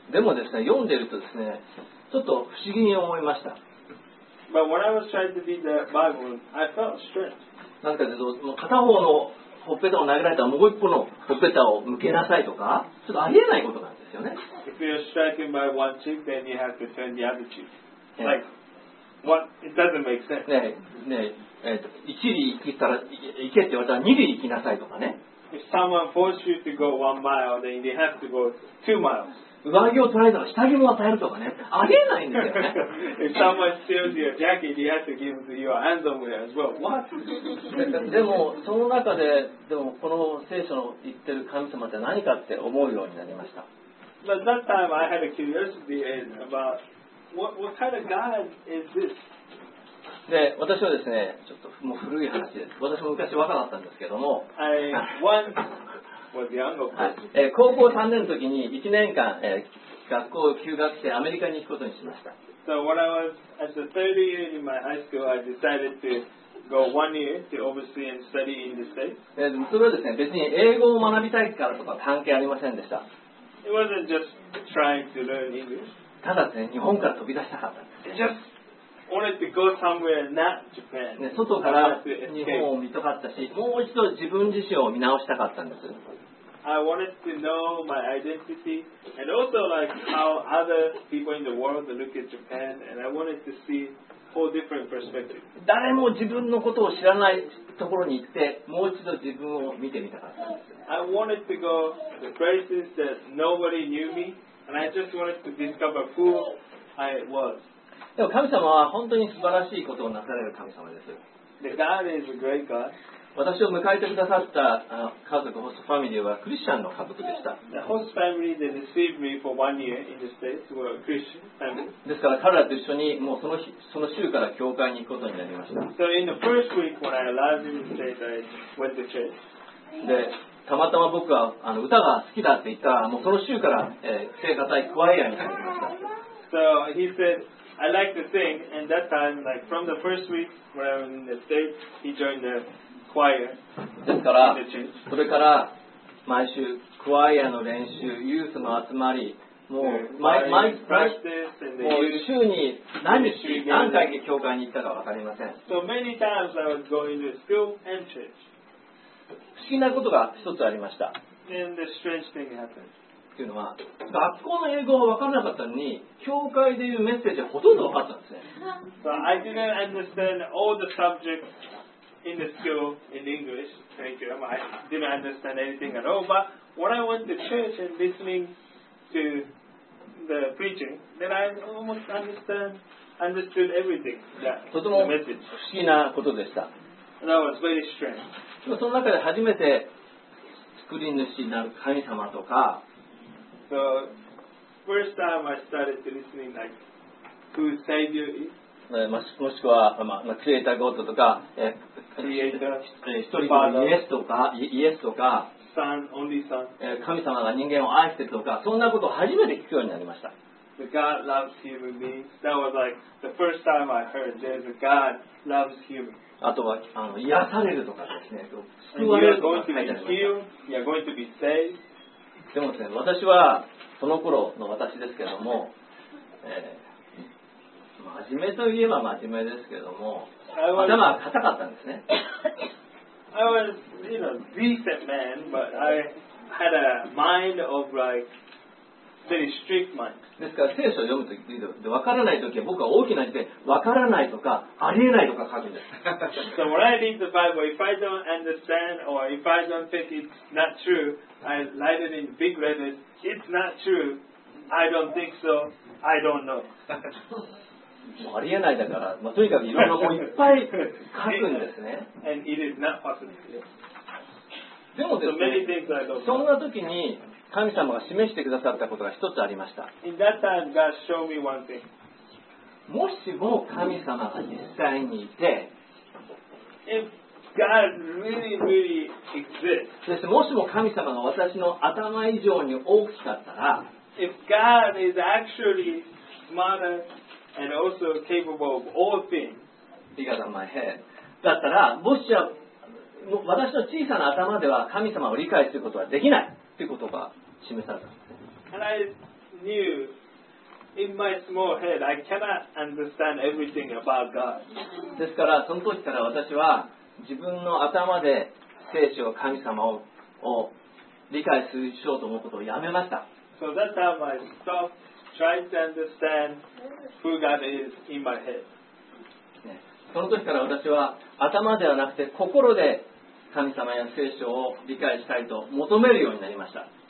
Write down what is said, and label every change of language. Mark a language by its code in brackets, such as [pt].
[ja] でもですね、読んでるとですね、ちょっと不思議に思いました。 [en] But when I was trying to read the Bible, I felt strange. [ja] なんかでどう、片方のほっぺたを殴られたらもう一方のほっぺたを向けなさいとか、ちょっとありえないことなんですよね。 [en] If you're striking by one cheek, then you have to turn the other cheek. Like, what? It doesn't make sense. [ja] ねえ、1里行きたら、行けって言われたら2里行きなさいとかね。 [en] If someone forced you to go 1 mile, then they have to go 2 miles. [ja] 上着を取られたら下着も与えるとかね。ありえないんだよね。 [en] If someone steals your jacket, they have to give your underwear as well. What? [ja] でも、その中で、でもこの聖書の言ってる神様って何かって思うようになりました。 [en] But that time I had a curiosity aboutWhat kind of God is this? [ja] で、私はですね、ちょっともう古い話です。私も昔若かったんですけども、 [en] I once was young. [ja] 高校3年の時に1年間、学校を休学してアメリカに行くことにしました。 [en] So when I was at the third year in my high school, I decided to go one year to oversee and study in the States. [ja] それはですね、別に英語を学びたいからとか関係ありませんでした。 [en] It wasn't just trying to learn English. [ja] ただね、日本から飛び出したかったんです。 [en] Just wanted to go somewhere, not Japan. [ja] ね、外から日本を見たかったし、もう一度自分自身を見直したかったんです。 [en] I wanted to know my identity and also like how other people in the world look at Japan and I wanted to see four different perspectives. [ja] 誰も自分のことを知らないところに行って、もう一度自分を見てみたかった。 [en] I wanted to go to the places that nobody knew me, and I just wanted to discover who I was. [ja] でも神様は本当に素晴らしいことをなされる神様です。 [en] God is a great God. [ja] 私を迎えてくださった家族、ホストファミリーはクリスチャンの家族でした。 [en] The host family that received me for one year in the States were a Christian family. [ja] ですから彼らと一緒にもうその日、その週から教会に行くことになりました。 [en] So in the first week when I arrived in the States, I went to church. [ja] で、たまたま僕は歌が好きだって言ったら、もうその週から、聖歌隊クワイアに入りました。 [en] So he said, I like to sing, and that time, like from the first week when I was in the States, he joined the [ja] ですから、それから毎週、クワイアの練習、ユースの集まり、もう毎週に何回か教会に行ったか分かりません。 [en] So many times I was going to school and church. [ja] 不思議なことが一つありました。 [en] And the strange thing happened. [ja] というのは、学校の英語が分からなかったのに、教会で言うメッセージはほとんど分かったんですね。 [en] So I didn't understand all the subjects. In the school, in English, thank you. I didn't understand anything at all. But when I went to church and listening to the preaching, then I almost understood everything. [ja] とても不思議なことでした。 [en] That was very strange. [ja] その中で初めて作り主になる神様とか、 [en] So first time I started to listening like who Savior is. [ja] もしくは、クリエイターゴッドとか、 [en] Creator, [ja] イエスとか、 [en] Son, only Son. [ja] 神様が人間を愛しているとか、そんなことを初めて聞くようになりました。 [en] The God loves human beings. That was like the first time I heard there's a God loves human. [ja] あとは癒されるとかですね、救われるとか書いてありました。 [en] You're going to be saved. [ja] でもですね、私はその頃の私ですけども、真面目といえば真面目ですけども、頭は硬かったんですね。 [en] I was, you know, decent man, but I had a mind of like very strict mind. [ja] ですから聖書を読むときで分からないときは僕は大きな字で分からないとかありえないとか書くんです。 [en] So when I read the Bible, if I don't understand or if I don't think it's not true, I write it in big letters. It's not true. I don't think so. I don't know. [ja] もうありえないだから、まあ、とにかくいろんな本いっぱい書くんですね。 [en] And it is not possible. [ja] でもですね、そんな時に神様が示してくださったことが一つありました。 [en] In that time, God showed me one thing. [ja] もしも神様が実際にいて、 [en] If God really, really exists, [ja] そしてもしも神様が私の頭以上に大きかったら、 [en] If God is actually smarter,And also capable of all things. Bigger than my head. [ja] だったら、もしは私の小さな頭では神様を理解することはできないということが示された。 [en] And I knew in my small head I cannot understand everything about God. [ja] ですから、その時から私は自分の頭で聖書を神様を理解するしようと思うことをやめました。 [en] So that time I stopped. Trying to understand who God is in my head. [ja] その時から私は頭ではなくて心で神様や聖書を理解したいと求めるようになりました。